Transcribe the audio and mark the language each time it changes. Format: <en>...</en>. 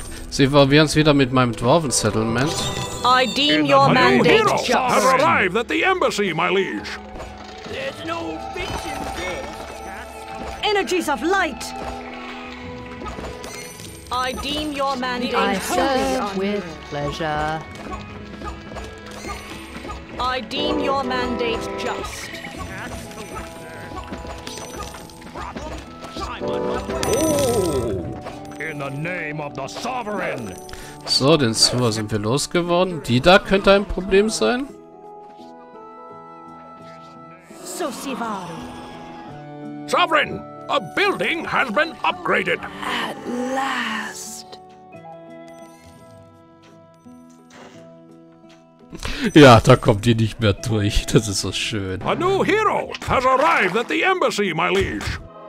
<de>Sie verwirren es wieder mit meinem Dwarven Settlement.</de> <en>I deem your mandate just. Have arrived at the embassy, my liege. There's no bitch in this. Energies of light. I deem your mandate. I serve with pleasure. I deem your mandate just. In the name of the sovereign.</en> <de>So, den Sewer sind wir losgeworden. Die da könnte ein Problem sein. Sosivaru.</de> <en>Sovereign, a building has been upgraded. At last.</en> <de>Ja, da kommt die nicht mehr durch. Das ist so schön.</de> <en>A new hero has arrived at the embassy, my liege.</en>